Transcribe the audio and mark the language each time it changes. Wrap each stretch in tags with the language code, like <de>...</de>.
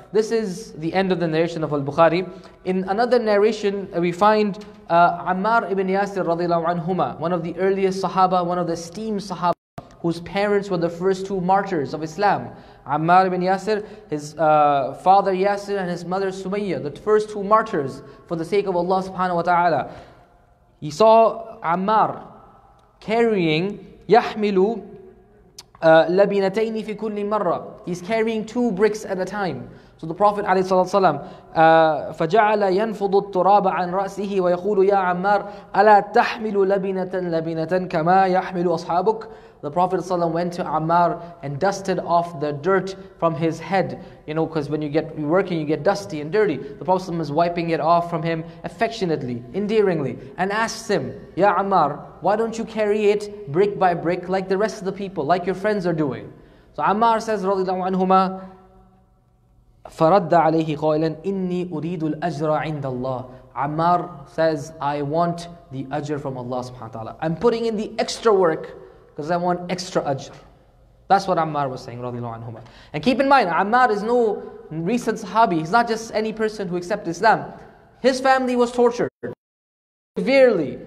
<en>This is the end of the narration of al-Bukhari. In another narration, we find Ammar ibn Yasir radiallahu anhuma, one of the earliest sahaba, one of the esteemed sahaba, whose parents were the first two martyrs of Islam. Ammar ibn Yasir, his father Yasir and his mother Sumayya, the first two martyrs for the sake of Allah subhanahu wa ta'ala. He saw Ammar carrying</en> <ar>يَحْمِلُ لَبِنَتَيْنِ فِي كُلِّ مَرَّةٍ.</ar> <en>He's carrying two bricks at a time. So the Prophet</en> <ar>عليه الصلاة والسلام فَجَعَلَ يَنْفُضُ التُّرَابَ عَنْ رَأْسِهِ وَيَقُولُ يَا عَمَّارُ أَلَا تَحْمِلُ لَبِنَةً لَبِنَةً كَمَا يَحْمِلُ أَصْحَابُكَ.</ar> <en>The Prophet ﷺ went to Ammar and dusted off the dirt from his head. Because when you get working, you get dusty and dirty. The Prophet ﷺ is wiping it off from him affectionately, endearingly, and asks him, Ya Ammar, why don't you carry it brick by brick like the rest of the people, like your friends are doing? So Ammar says,</en> <ar>رضي الله عنهما, فَرَدَّ عَلَيْهِ قَائِلًا إِنِّي أُرِيدُ الْأَجْرَ عِنْدَ اللَّهِ.</ar> <en>Ammar says, I want the ajr from Allah subhanahu wa ta'ala. I'm putting in the extra work because I want extra ajr. That's what Ammar was saying, radiallahu anhuma. And keep in mind, Ammar is no recent sahabi. He's not just any person who accepted Islam. His family was tortured severely.</en>